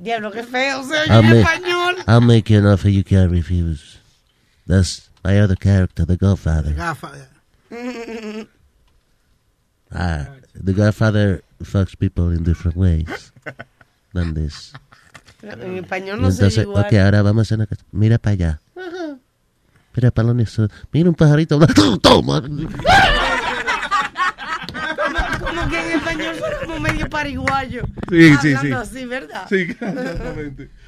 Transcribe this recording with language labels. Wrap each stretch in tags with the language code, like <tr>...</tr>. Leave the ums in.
<es>Diablo, qué feo, o sea yo en español.</es> <en>I'll make you an offer you can't refuse. That's my other character, the Godfather. The Godfather. Ah, the Godfather fucks people in different ways than this.</en> <es>en español no y entonces, soy igual. Ok, ahora vamos a hacer una Mira para allá. Mira para lo Mira un pajarito. Toma. ¡Toma! que en español fueron como medio pariguayo. Sí, sí, sí. Así, ¿verdad? Sí, exactamente.</es>